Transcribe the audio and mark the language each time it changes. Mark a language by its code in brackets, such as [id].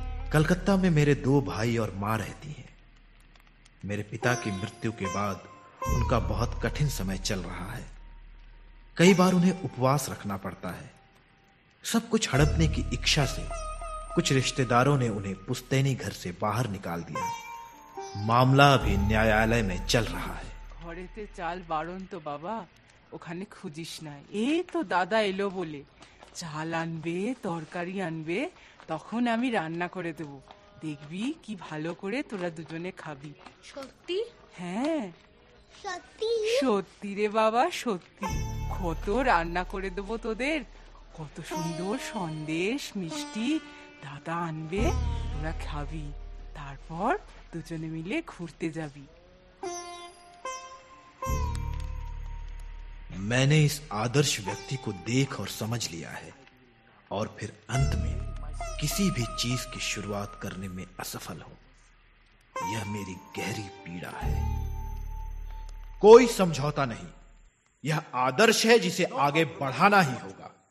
[hi] कलकत्ता में मेरे 2 भाई और मां रहती हैं। मेरे पिता की मृत्यु के बाद उनका बहुत कठिन समय चल रहा है। कई बार उन्हें उपवास रखना पड़ता है। सब कुछ हड़पने की इच्छा से कुछ रिश्तेदारों ने उन्हें पुश्तैनी घर से बाहर निकाल दिया। मामला भी न्यायालय में चल रहा है। [bn] घोड़े चाल बाड़न तो बाबा ওখানে খুঁজিস না, এই তো দাদা এলো বলে চাল আনবে, তরকারি আনবে, তখন আমি রান্না করে দেব, দেখবি কি ভালো করে তোরা দুজনে খাবি। সত্যি? হ্যাঁ সত্যি সত্যি রে বাবা সত্যি, কত রান্না করে দেব তোদের, কত সুন্দর সন্দেশ মিষ্টি দাদা আনবে, তোরা খাবি, তারপর দুজনে মিলে ঘুরতে যাবি। [hi] मैंने इस आदर्श व्यक्ति को देख और समझ लिया है और फिर अंत में किसी भी चीज की शुरुआत करने में असफल हो, यह मेरी गहरी पीड़ा है। कोई समझौता नहीं, यह आदर्श है जिसे आगे बढ़ाना ही होगा।